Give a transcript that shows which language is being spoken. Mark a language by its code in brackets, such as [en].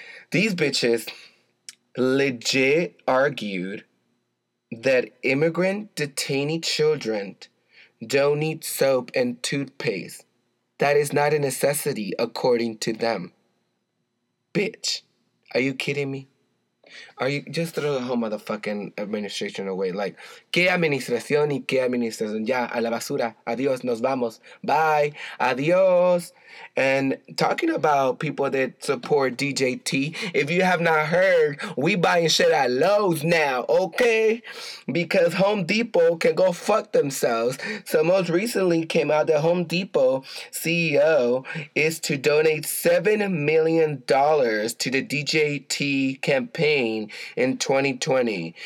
[en] These bitches legit argued that immigrant detainee children don't need soap and toothpaste. That is not a necessity, according to them. Bitch. Are you kidding me? Are you just throw the whole motherfucking administration away? [es] Like, que administración y que administración? Ya, a la basura. Adios, nos vamos. Bye. Adios. [en] And talking about people that support DJT, if you have not heard, we buying shit at Lowe's now, okay? Because Home Depot can go fuck themselves. So most recently came out that Home Depot CEO is to donate $7 million to the DJT campaign in 2020.